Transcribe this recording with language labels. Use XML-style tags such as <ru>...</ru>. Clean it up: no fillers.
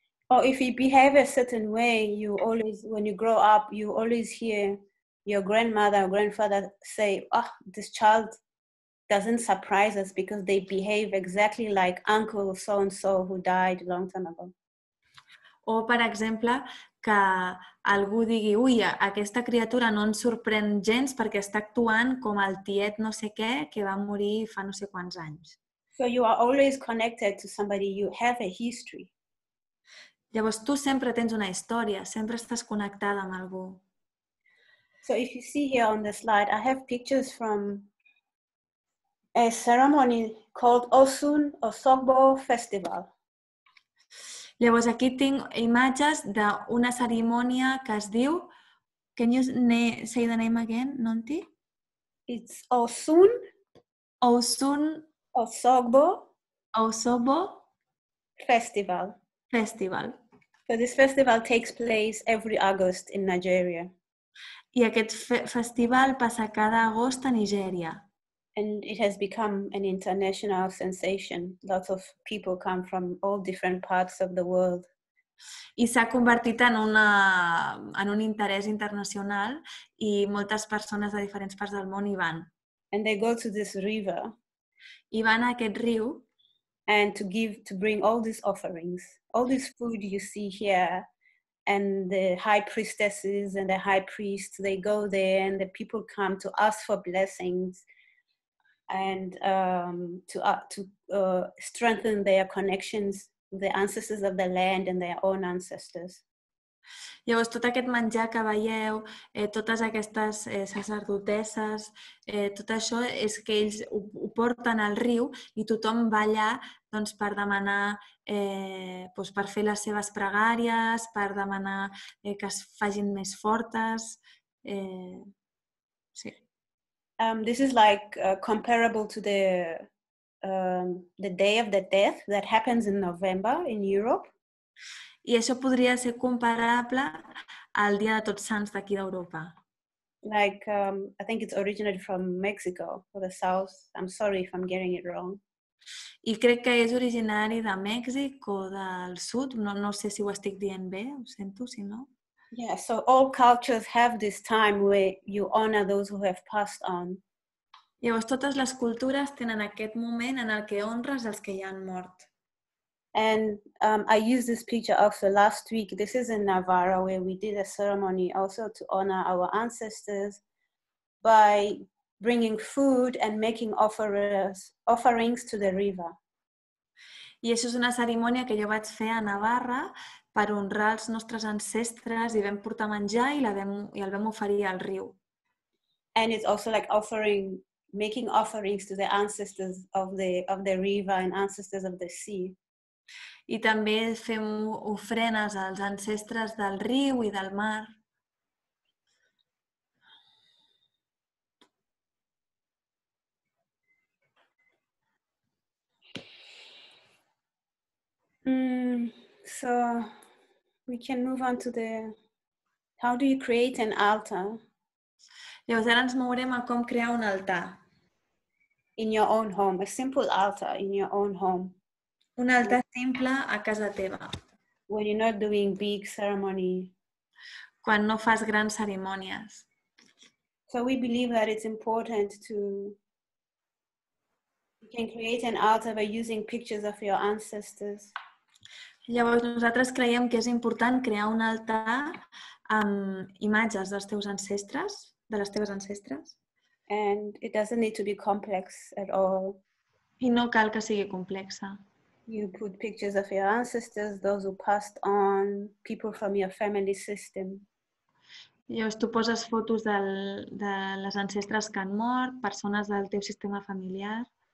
<en>Or if you behave a certain way, you always, when you grow up, you always hear your grandmother or grandfather say, oh, this child doesn't surprise us because they behave exactly like uncle so-and-so who died a long time ago.</en> <ca>O, per exemple, que algú digui, ui, aquesta criatura no ens sorprèn gens perquè està actuant com el tiet no sé què que va morir fa no sé quants anys.</ca> <en>So you are always connected to somebody, you have a history.</en> <ca>Llavors tu sempre tens una història, sempre estàs connectada amb algú.</ca> <en>So if you see here on the slide, I have pictures from a ceremony called Osun or Sogbo Festival.</en> <ca>Llavors aquí tinc imatges d'una cerimònia que es diu...</ca> <en>Can you say the name again, Nonty? It's Osun. Osun. Osogbo. Osogbo. Festival. Festival. So this festival takes place every August in Nigeria.</en> <ca>I aquest festival passa cada agost a Nigèria.</ca> <en>And it has become an international sensation. Lots of people come from all different parts of the world.</en> <ca>I s'ha convertit en un interès internacional i moltes persones de diferents parts del món hi van.</ca> <en>And they go to this river.</en> <ca>I van a aquest riu.</ca> <en>And to bring all these offerings, all this food you see here, and the high priestesses and the high priests, they go there and the people come to ask for blessings and to strengthen their connections with the ancestors of the land and their own ancestors.</en> <ca>Llavors, tot aquest menjar que veieu, totes aquestes sacerdoteses, tot això és que ells ho porten al riu i tothom va allà doncs, per demanar, doncs, per fer les seves pregàries, per demanar que es facin més fortes. Sí.</ca> <en>This is like comparable to the day of the death that happens in November in Europe.</en> <ca>I això podria ser comparable al Dia de Tots Sants d'aquí d'Europa.</ca> <en>Like, I think it's originated from Mexico, or the South. I'm sorry if I'm getting it wrong.</en> <ca>I crec que és originari de Mèxic o del Sud. No, no sé si ho estic dient bé, ho sento, si no.</ca> <en>Yeah, so all cultures have this time where you honor those who have passed on.</en> <ca>Llavors, totes les cultures tenen aquest moment en el que honres els que ja han mort.</ca> <en>And I used this picture also last week. This is in Navarra where we did a ceremony also to honor our ancestors by bringing food and making offerings to the river.</en> <ca>I això és una cerimònia que jo vaig fer a Navarra per honrar els nostres ancestres i vam portar menjar i el vam oferir al riu.</ca> <en>And it's also like offering, making offerings to the ancestors of the river and ancestors of the sea.</en> <ca>I també fem ofrenes als ancestres del riu i del mar.</ca> <en>So we can move on to the how do you create an altar?</en> <ca>Llavors ara ens mourem a com crear un altar.</ca> <en>In your own home, a simple altar in your own home.</en> <ca>Un altar simple a casa teva.</ca> <en>When you're not doing big ceremony.</en> <ca>Quan no fas grans cerimònies.</ca> <en>So we believe that it's important to... You can create an altar by using pictures of your ancestors.</en> <ca>Llavors nosaltres creiem que és important crear un altar amb imatges dels teus ancestres, de les teves ancestres.</ca> <en>And it doesn't need to be complex at all.</en> <ca>I no cal que sigui complexa.</ca> <en>You put pictures of your ancestors, those who passed on, people from your family system.</en> <ca>Llavors tu poses fotos de les ancestres que han mort, persones del teu sistema familiar.</ca>